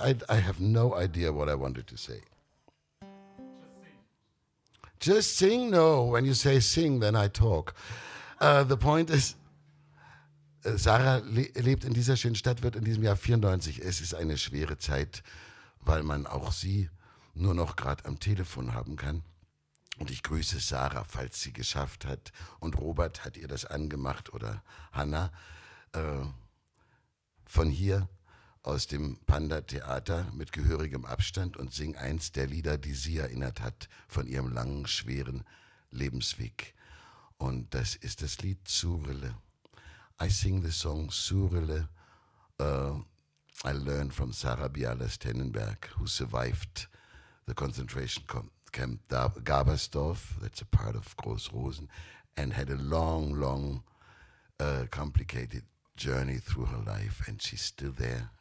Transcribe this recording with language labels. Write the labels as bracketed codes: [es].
[en] I have no idea what I wanted to say. Just sing? No, when you say sing, then I talk. The point is, [de] Sarah lebt in dieser schönen Stadt, wird in diesem Jahr 94. Es ist eine schwere Zeit, weil man auch sie nur noch gerade am Telefon haben kann. Und ich grüße Sarah, falls sie geschafft hat. Und Robert hat ihr das angemacht oder Hannah. Von hier aus dem Panda-Theater mit gehörigem Abstand und sing eins der Lieder, die sie erinnert hat von ihrem langen, schweren Lebensweg. Und das ist das Lied Zurille. [en] I sing the song Surele, I learned from Sarah Bialas-Tennenberg, who survived the concentration camp Gabersdorf, that's a part of Großrosen, and had a long, long, complicated journey through her life, and she's still there.